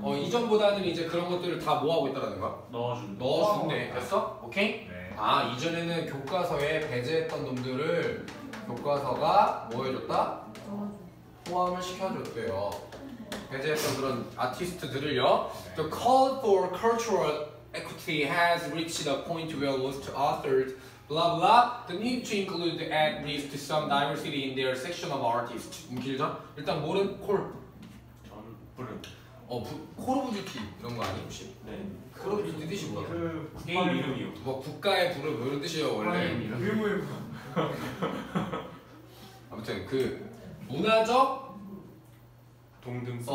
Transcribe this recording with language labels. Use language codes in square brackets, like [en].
[ko] 어 이전보다는 이제 그런 것들을 다 뭐하고 있다라는 거야? 넣어준대. 됐어? 오케이? 네. 아 이전에는 교과서에 배제했던 놈들을 교과서가 뭐해줬다? 포함을 시켜줬대요. 배제했던 그런 아티스트들을요. [en] The call for cultural equity has reached a point where most authors blah blah the need to include at least some diversity in their section of artists. [ko] 길죠? 일단 뭐는 콜? 전 부른. 어, 콜 오브 듀티 이런 거 아니에요 혹시? 네. 콜 오브 듀티 뜻이 뭐야? 그 게임 이름이요. 뭐 국가의 부름 이런 뜻이에요 원래. 의무의 부. 아무튼 그 문화적 동등성.